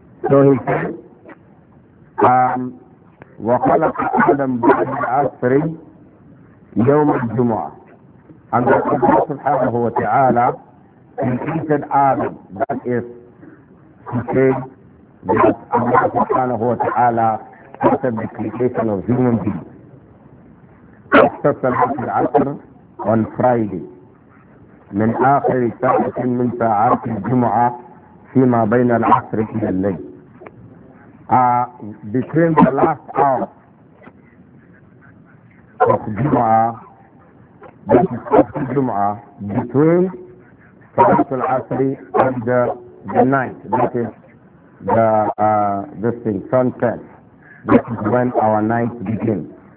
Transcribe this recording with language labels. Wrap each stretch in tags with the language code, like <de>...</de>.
<en>So he said,</en> <ar>وَخَلَقَ آدَمْ بَعْدِ الْعَصْرِ يَوْمَ الْجُمُعَةِ.</ar> <en>And that Allah subhanahu wa ta'ala created Adam, that is, he said that Allah subhanahu wa ta'ala started the creation of human beings. After</en> <ar>صَلَاةِ الْعَصْرِ</ar> <en>on Friday,</en> <ar>مِنْ آخِرِ سَاعَةٍ مِنْ سَاعَاتِ الْجُمُعَةِ فِي مَا بَيْنَ الْعَصْرِ إِلَى اللَّيْلِ.</ar> <en>Between the last hour of Jum'ah, that is after Jum'ah, between Salatul Asri and the night, that is the this thing, sunset, this is when our night begins.</en>